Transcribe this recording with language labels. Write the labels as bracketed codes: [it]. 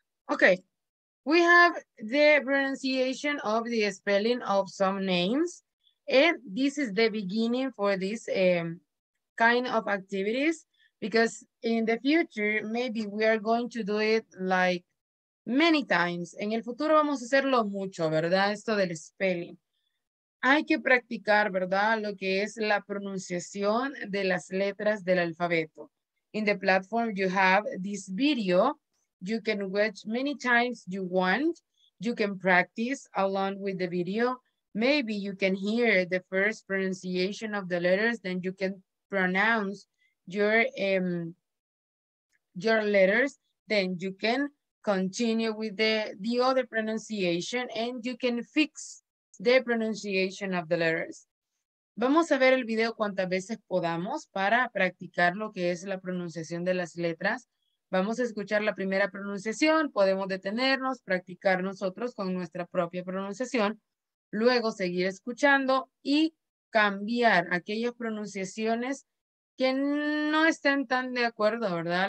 [en] Okay, we have the pronunciation of the spelling of some names, and this is the beginning for this kind of activities. Because in the future, maybe we are going to do it like many times. [es] En el futuro vamos a hacerlo mucho, ¿verdad? Esto del spelling. Hay que practicar, ¿verdad? Lo que es la pronunciación de las letras del alfabeto. [en] In the platform, you have this video. You can watch many times you want. You can practice along with the video. Maybe you can hear the first pronunciation of the letters. Then you can pronounce your letters, then you can continue with the other pronunciation and you can fix the pronunciation of the letters. [es] Vamos a ver el video cuantas veces podamos para practicar lo que es la pronunciación de las letras. Vamos a escuchar la primera pronunciación. Podemos detenernos, practicar nosotros con nuestra propia pronunciación. Luego seguir escuchando y cambiar aquellas pronunciaciones que no estén tan de acuerdo, ¿verdad?